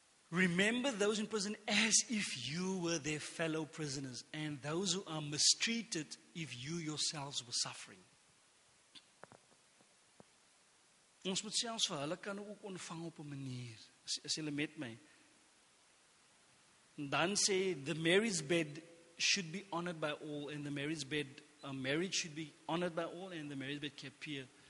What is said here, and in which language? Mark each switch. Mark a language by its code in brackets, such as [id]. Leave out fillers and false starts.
[en] Remember those in prison as if you were their fellow prisoners, and those who are mistreated if you yourselves were suffering. [af] Ons moet selfs vir hulle kan ook ontvang op 'n manier, as hulle met my. Dan sê, [en] the marriage bed should be honored by all, and the marriage bed, a marriage should be honored by all, and the marriage bed kept pure.